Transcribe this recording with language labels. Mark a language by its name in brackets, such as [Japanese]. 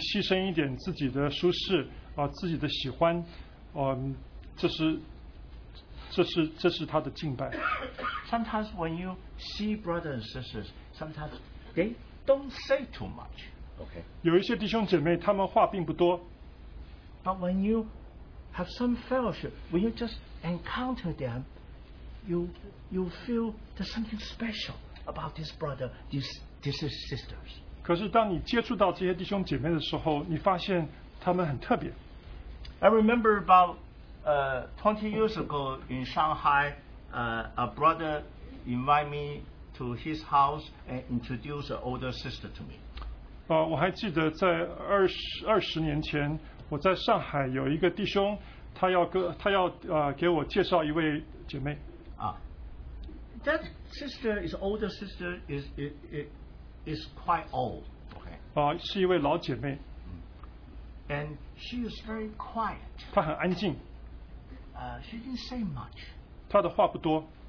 [Chinese] 当他为了主，他愿意牺牲一点自己的舒适，自己的喜欢。这是他的敬拜。 [English] Sometimes when you see brothers and sisters, sometimes they don't say too much. Okay. [Chinese] 有一些弟兄姐妹，他们话并不多。 [English] But when you have some fellowship, when you just encounter them, you feel there's something special about this brother, these sisters. [Chinese] 可是当你接触到这些弟兄姐妹的时候, 你发现他们很特别。 [English] I remember about 20 years ago in Shanghai, a brother invited me to his house and introduced an older sister to me. [Chinese] 我还记得在二十年前, 我在上海有一个弟兄, 他要给我介绍一位姐妹。 [English] That sister is older sister is quite old. Okay. [Chinese] 是一位老姐妹。 [English] And she is very quiet. [Chinese] 她很安静。 [English] She didn't say much. [Chinese] 她的话不多。